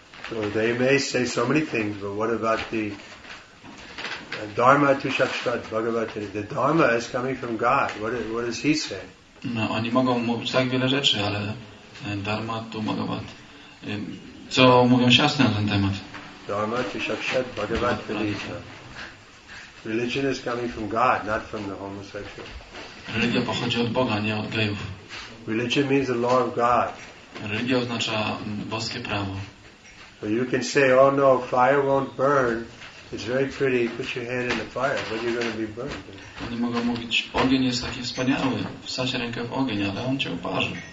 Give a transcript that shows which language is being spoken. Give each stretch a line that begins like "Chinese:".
English: So they may say so many things, but what about the
Sanskrit: Dharma tu shakshat bhagavatini?
English: The Dharma is coming from God. What does he say?
Polish: No, oni mogą mówić tak wiele rzeczy, ale
Sanskrit: Dharma tu bhagavat.
Polish: Co mówią siostry na ten temat?
Sanskrit: Dharma tu shakshat bhagavatini.
English: Religion is coming from God, not from the homosexual.
Polish: Religia pochodzi od Boga, nie od gejów.
English: Religion means the law of God.
Polish: Religia oznacza boskie prawo.
English: So you can say, oh no, fire won't burn. It's very pretty, put your hand in the fire, but you're going to be burned.
Polish: Oni mogą mówić, ogień jest taki wspaniały, wsadź rękę w ogień, ale on cię uparzy.